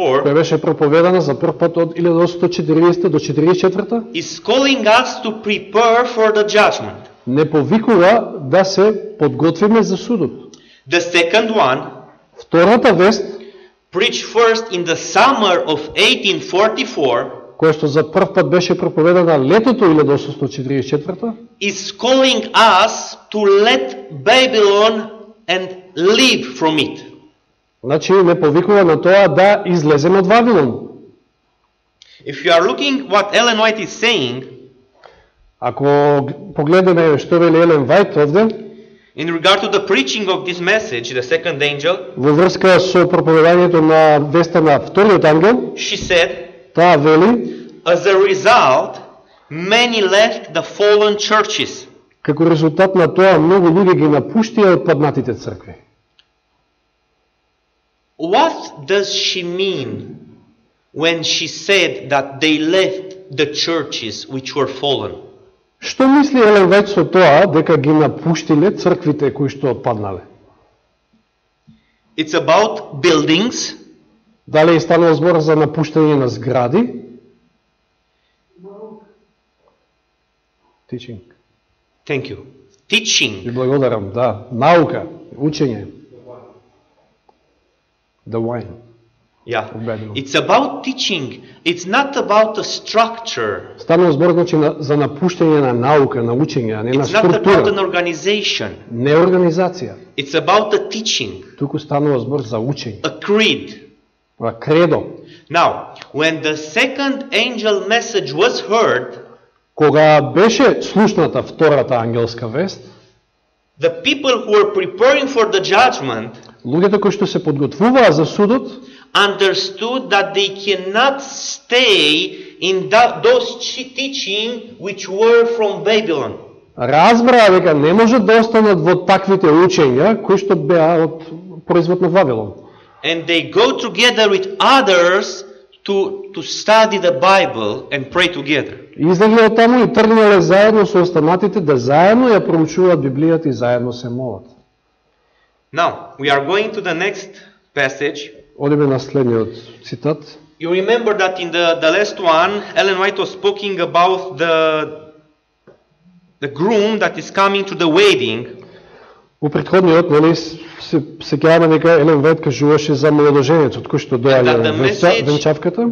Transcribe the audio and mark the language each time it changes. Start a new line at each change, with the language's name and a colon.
Macedonian: која беше проповедана за прв пат од 1840 до 44-та,
English: is calling us to prepare for the judgment.
Macedonian: Не повикува да се подготвиме за судот.
English: The second one,
Macedonian: втората вест,
English: preached first in the summer of 1844,
Macedonian: која што за прв пат беше проповедана летото 1844-та,
English: is calling us to let Babylon and leave from it.
Macedonian: Значи, не повикува на тоа да излеземе од Вавилон.
English: If you are looking what Ellen White is saying,
Macedonian: ако погледаме што вели Елен Вајт овде,
English: in regard to the preaching of this message, the second angel,
Macedonian: во врска со проповедањето на веста на вториот ангел,
English: she said,
Macedonian: таа вели,
English: as a result, many left the fallen churches.
Macedonian: Како резултат на тоа, многу луѓе ги напуштија паднатите цркви.
English: What does she mean when she said that they left the churches which were fallen?
Macedonian: Што мисли Елен Вајт со тоа дека ги напуштиле црквите кои што отпаднале?
English: It's about buildings.
Macedonian: Дали е станал збор за напуштање на згради?
English: Teaching. Thank you. Teaching.
Macedonian: Ви благодарам, да. Наука, учење.
English: The wine. Yeah. It's about teaching. It's not about a structure.
Macedonian: Станува збор значи за напуштање на наука, на учење, а не на структура.
English: It's not about an organization.
Macedonian: Не организација.
English: It's about the teaching.
Macedonian: Туку станува збор за учење.
English: A creed.
Macedonian: Ва кредо.
English: Now, when the second angel message was heard,
Macedonian: кога беше слушната втората ангелска вест,
English: the people who were preparing for the judgment,
Macedonian: луѓето кои што се подготвуваа за судот,
English: understood that they cannot stay in those teaching which were from Babylon.
Macedonian: Разбраа дека не можат да останат во таквите учења кои што беа од производ на Вавилон.
English: And they go together with others to study the Bible and pray together.
Macedonian: Излегле таму и тргнале заедно со останатите да заедно ја проучуваат Библијата и заедно се молат.
English: Now, we are going to the next passage.
Macedonian: Одиме на следниот цитат.
English: You remember that in the last one, Ellen White was speaking about the groom that is coming to the wedding.
Macedonian: Во претходниот, нели, се кјаваме дека Елен Вајт кажуваше за младоженецот, кој што доаѓа на венчавката.